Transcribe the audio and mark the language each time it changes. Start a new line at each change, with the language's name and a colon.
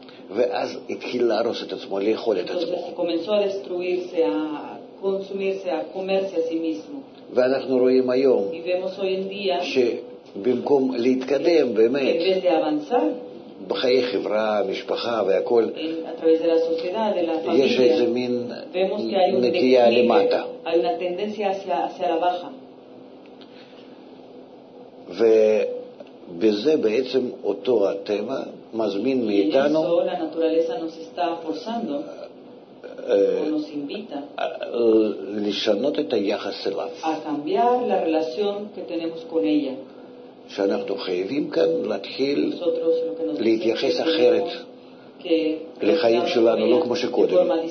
Hebrew: ואז התחיל להרוס את עצמו, לאכול את עצמו.
Spanish: Comenzó a destruirse, a consumirse, a comerse a sí mismo.
Hebrew: ואנחנו רואים היום,
Spanish: y vemos hoy en día,
Hebrew: שבמקום להתקדם באמת,
Spanish: en vez de avanzar,
Hebrew: בחיי חברה, משפחה והכל,
Spanish: a través de la sociedad, de la familia,
Hebrew: יש איזה מין נטייה למטה.
Spanish: Hay una tendencia hacia, hacia la baja.
Hebrew: ובזה בעצם אותו הטבע מזמין מאיתנו,
Spanish: la naturaleza nos está forzando, nos invita,
Hebrew: לשנות את היחס אליו,
Spanish: a cambiar la relación que tenemos con ella,
Hebrew: שאנחנו חייבים כאן להתחיל להתייחס אחרת לחיים שלנו, לא כמו שקודם.